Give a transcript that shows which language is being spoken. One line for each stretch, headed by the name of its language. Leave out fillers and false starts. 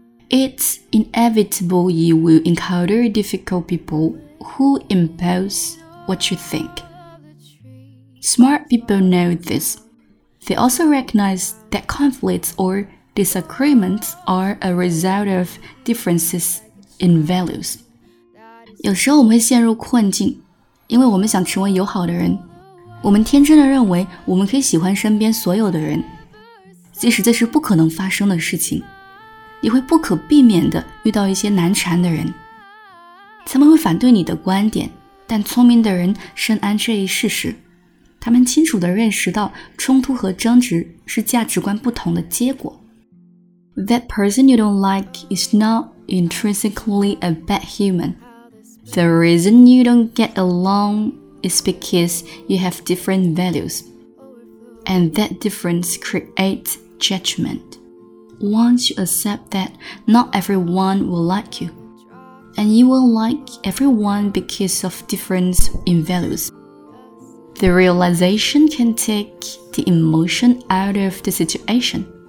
English: It's inevitable you will encounter difficult people who impose what you think. Smart people know this. They also recognize that conflicts or disagreements are a result of differences in values.
Chinese: 有时候我们会陷入困境，因为我们想成为友好的人。我们天真的认为我们可以喜欢身边所有的人，即使这是不可能发生的事情，也会不可避免地遇到一些难缠的人。他们会反对你的观点，但聪明的人深谙这一事实。他们清楚地认识到冲突和争执是价值观不同的结果。
English: That person you don't like is not intrinsically a bad human. The reason you don't get along is because you have different values. And that difference creates judgment. Once you accept that not everyone will like you, and you will like everyone because of difference in values,The realization can take the emotion out of the situation.